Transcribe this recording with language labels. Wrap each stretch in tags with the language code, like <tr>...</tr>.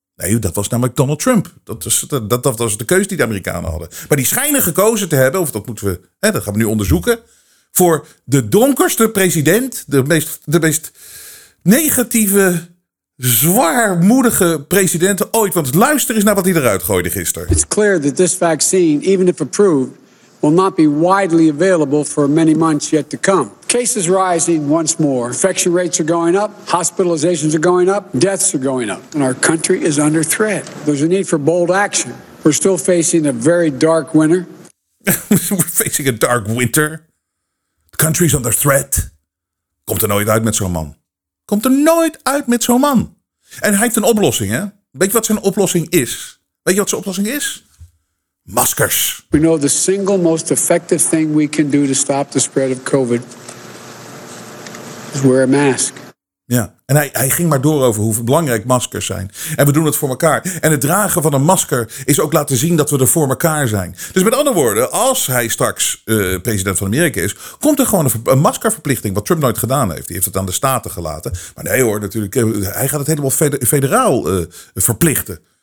<nl>Nee, dat was namelijk Donald Trump. Dat was de keuze die de Amerikanen hadden. Maar die schijnen gekozen te hebben, of dat moeten we, hè, dat gaan we nu onderzoeken, voor de donkerste president, de meest negatieve, zwaarmoedige president ooit. Want luister eens naar wat hij eruit gooide gisteren.</nl> <en>It's clear that this vaccine, even if approved, will not be widely available for many months yet to come. Cases rising once more. Infection rates are going up. Hospitalizations are going up. Deaths are going up. And our country is under threat. There's a need for bold action. We're still facing a very dark winter. We're facing a dark winter. The country is under threat.</en> <nl>Komt er nooit uit met zo'n man. Komt er nooit uit met zo'n man. En hij heeft een oplossing, hè? Weet je wat zijn oplossing is? Weet je wat zijn oplossing is? Maskers.</nl> <en>We know the single most effective thing we can do to stop the spread of COVID is wear a mask.</en> <nl>Ja, en hij ging maar door over hoe belangrijk maskers zijn. En we doen het voor elkaar. En het dragen van een masker is ook laten zien dat we er voor elkaar zijn. Dus met andere woorden, als hij straks president van Amerika is, komt er gewoon een maskerverplichting, wat Trump nooit gedaan heeft. Die heeft het aan de staten gelaten. Maar nee hoor, natuurlijk, hij gaat het helemaal federaal verplichten.</nl>